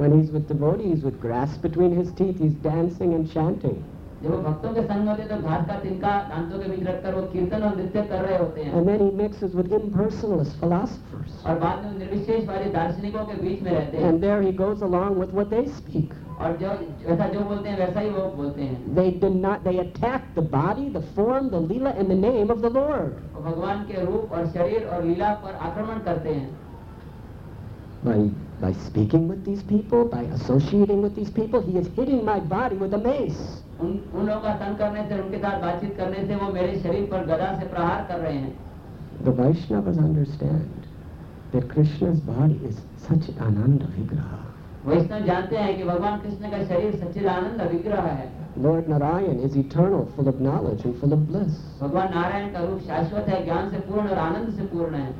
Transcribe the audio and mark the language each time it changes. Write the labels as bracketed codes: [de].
[en] When he's with devotees, with grass between his teeth, he's dancing and chanting. [hi] जब भक्तों के संग होते हैं तो घास का तिनका दांतों के बीच रखकर वो कीर्तन और नृत्य कर रहे होते हैं. [en] And then he mixes with impersonalist philosophers. [hi] और बाद में निर्विशेष वाले दार्शनिकों के बीच में रहते हैं. [en] And there he goes along with what they speak. [hi] और जैसा जो बोलते हैं वैसा ही वो बोलते हैं. [en] They attack the body, the form, the leela and the name of the Lord. [hi] भगवान के रूप और शरीर और लीला पर आक्रमण करते हैं. [en] By speaking with these people, by associating with these people, he is hitting my body with a mace. [hi] उन लोगों का संग करने से, उनके साथ बातचीत करने से वो मेरे शरीर पर गदा से प्रहार कर रहे हैं. [en] The Vaishnavas understand that Krishna's body is Sachidananda Vigraha. [hi] वैष्णव जानते हैं कि भगवान कृष्ण का शरीर सच्चिदानंद विग्रह है. [en] Lord Narayan is eternal, full of knowledge and full of bliss. [hi] भगवान नारायण का रूप शाश्वत है, ज्ञान से पूर्ण और आनंद से पूर्ण है.